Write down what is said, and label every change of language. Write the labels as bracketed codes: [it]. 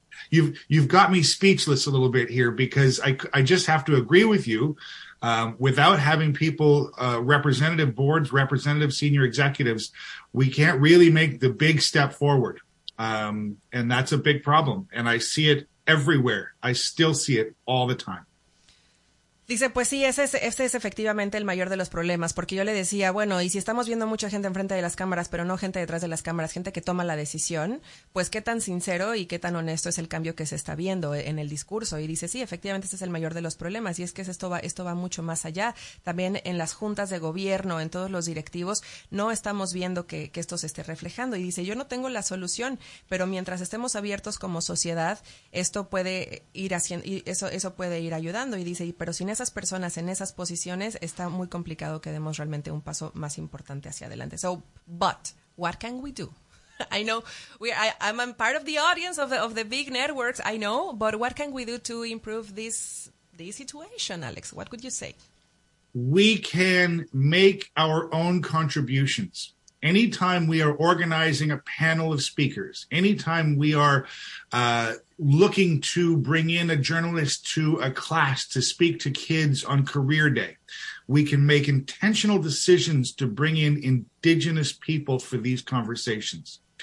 [en] You've got me speechless a little bit here, because I just have to agree with you. Without having people, representative boards, representative senior executives, we can't really make the big step forward. And that's a big problem. And I see it everywhere. I still see it all the time. [es] Dice, pues sí, ese es efectivamente el mayor de los problemas, porque yo le decía, bueno, y si estamos viendo mucha gente enfrente de las cámaras, pero no gente detrás de las cámaras, gente que toma la decisión, pues qué tan sincero y qué tan honesto es el cambio que se está viendo en el discurso. Y dice, sí, efectivamente ese es el mayor de los problemas, y es que esto va mucho más allá. También en las juntas de gobierno, en todos los directivos, no estamos viendo que esto se esté reflejando. Y dice, yo no tengo la solución, pero mientras estemos abiertos como sociedad, esto puede ir haciendo, y eso puede ir ayudando. Y dice, pero sin esas personas en esas posiciones, está muy complicado que demos realmente un paso más importante hacia adelante. [en] So, but what can we do? I know I'm part of the audience of the big networks, I know, but what can we do to improve this situation, Alex? What could you say? We can make our own contributions. Anytime we are organizing a panel of speakers, anytime we are looking to bring in a journalist to a class to speak to kids on career day, we can make intentional decisions to bring in indigenous people for these conversations.